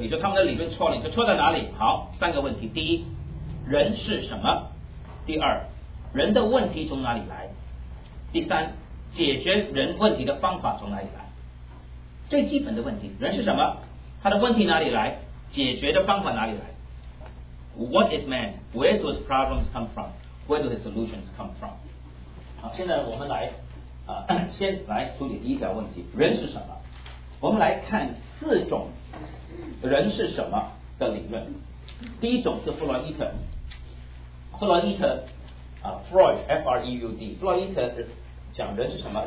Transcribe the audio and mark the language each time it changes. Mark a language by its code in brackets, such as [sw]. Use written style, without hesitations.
[zh] 你说他们的理论错了，你说错在哪里？好，三个问题。第一，人是什么？第二，人的问题从哪里来？第三，解决人问题的方法从哪里来？最基本的问题，人是什么？他的问题哪里来？解决的方法哪里来？ [en] What is man? Where do his problems come from? Where do his solutions come from? [zh] 好，现在我们来先来处理第一条问题，人是什么？我们来看四种人是什么的理论。第一种是弗洛伊特，弗洛伊特Freud, F-R-E-U-D， 弗洛伊特讲人是什么？